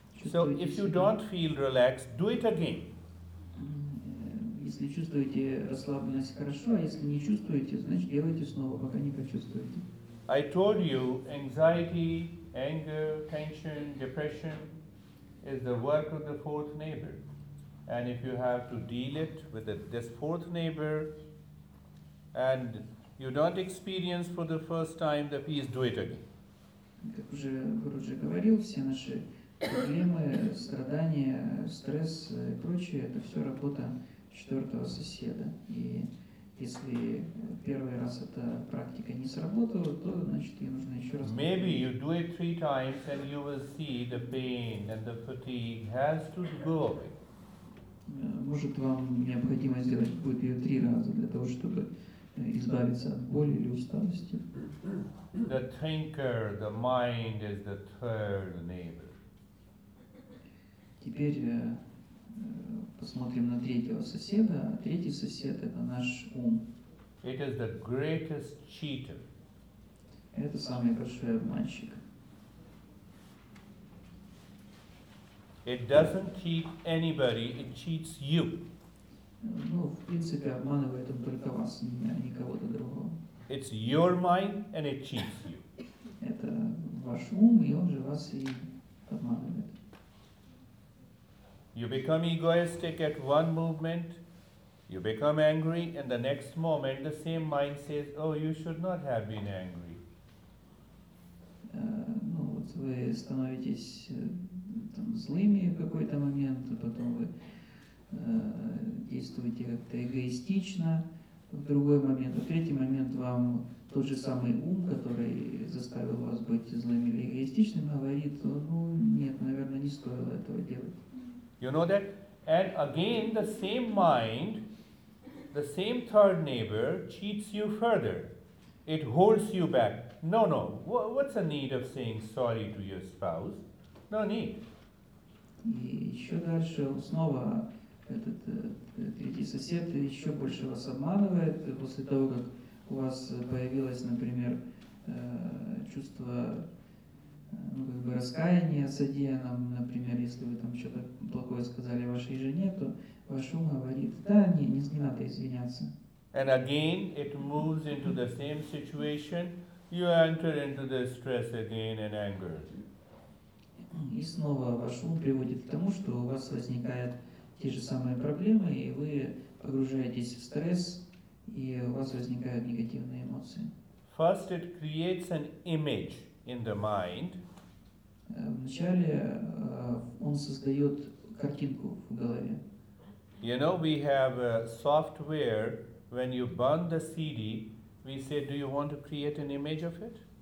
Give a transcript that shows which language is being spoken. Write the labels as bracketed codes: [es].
[en] So if you don't feel relaxed, do it again. [ru] Если чувствуете расслабленность, хорошо, а если не чувствуете, значит делайте снова, пока не почувствуете. [en] I told you anxiety, anger, tension, depression is the work of the fourth neighbor. And if you have to deal it with this fourth neighbor and you don't experience for the first time the peace, do it again. [ru] Как уже Гуру уже говорил, все наши проблемы, страдания, стресс и прочее, это все работа четвертого соседа. И если первый раз эта практика не сработала, то значит ей нужно еще раз. [en] Maybe you do it three times and you will see the pain and the fatigue has to go away. [ru] Может, вам необходимо сделать будет ее три раза для того, чтобы избавиться от боли или усталости. [en] The thinker, the mind is the third neighbor. [ru] Теперь посмотрим на третьего соседа. Третий сосед – это наш ум. [en] It is the greatest cheater. [ru] Это самый большой обманщик. [en] It doesn't cheat anybody, it cheats you. [ru] Ну, в принципе, обманывает он только вас, а не кого-то другого. [en] It's your mind and it cheats you. [ru] Это ваш ум, и он же вас и обманывает. [en] You become egoistic at one moment, you become angry, and the next moment the same mind says, oh, you should not have been angry. [ru] Ну, вот вы становитесь там злыми в какой-то момент, а потом вы действуете как-то эгоистично, в другой момент, в третий момент вам тот же самый ум, который заставил вас быть злым или эгоистичным, говорит, ну нет, наверное, не стоило этого делать. [en] You know that? And again, the same mind, the same third neighbor cheats you further. It holds you back. No, no. What's the need of saying sorry to your spouse? No need. [ru] И еще дальше снова этот третий сосед еще больше вас обманывает после того, как у вас появилось, например, чувство раскаяния содеянным, например, если вы там что-то плохое сказали вашей жене, то ваш ум говорит, да, не надо извиняться. [en] And again, it moves into the same situation. You enter into the stress again and anger. [ru] И снова ваш ум приводит к тому, что у вас возникают те же самые проблемы, и вы погружаетесь в стресс, и у вас возникают негативные эмоции. [en] First, it creates an image in the mind. [ru] Вначале он создает картинку в голове. [en] You know, we have a software. When you burn the CD, we say, do you want to create an image of it?